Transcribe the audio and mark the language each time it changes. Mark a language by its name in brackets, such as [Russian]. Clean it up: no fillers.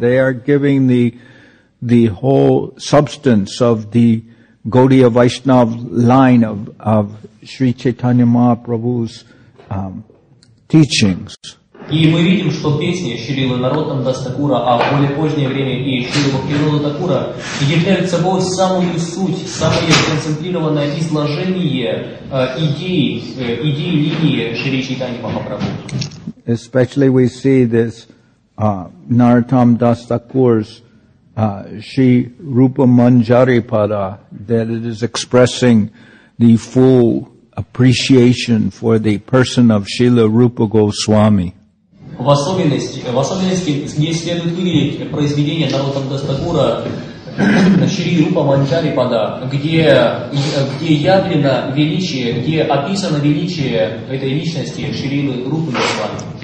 [English] They are giving the whole substance of the Gaudiya Vaishnav line of Sri Chaitanya Mahaprabhu's teachings. [Russian] И мы видим, что песни Шрилы Народам Дас Такура, а в более позднее время и Шрилы Бхактивинода Такура, являют собой самую суть, самое концентрированное изложение идеи линии Шри Чайтаньи Махапрабху. [English] Especially we see this Narottam Das Thakur's Shri Rupa Manjari Pada, that it is expressing the full appreciation for the person of Srila Rupa Goswami. [Russian] В особенности не следует выделить произведение Narottam Das Thakur Шри Рупа Манджари Пада, где явлено величие, где описано величие этой личности Шрилы Рупы Госвами.